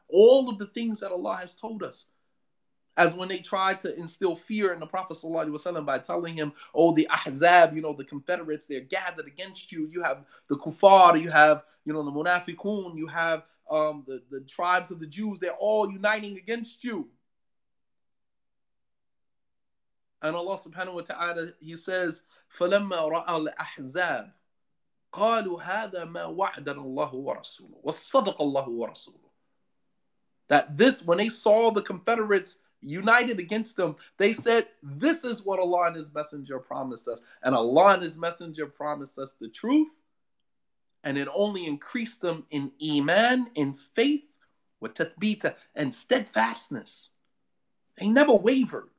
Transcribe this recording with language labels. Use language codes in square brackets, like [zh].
[en] All of the things that Allah has told us, as when they tried to instill fear in the Prophet sallallahu alaihi wasallam by telling him, oh, the Ahzab, you know, the Confederates, they're gathered against you. You have the Kufar, you have, you know, the Munafiqun, you have the tribes of the Jews, they're all uniting against you. And Allah subhanahu wa ta'ala, he says, [ar] فَلَمَّا رَأَى الْأَحْزَابِ قالوا هذا ما وعدنا الله ورسوله والصدق الله ورسوله. [en] That this, when they saw the Confederates united against them, they said, this is what Allah and His Messenger promised us. And Allah and His Messenger promised us the truth. And it only increased them in iman, in faith, [ar] wa tathbita, [en] and steadfastness. They never wavered.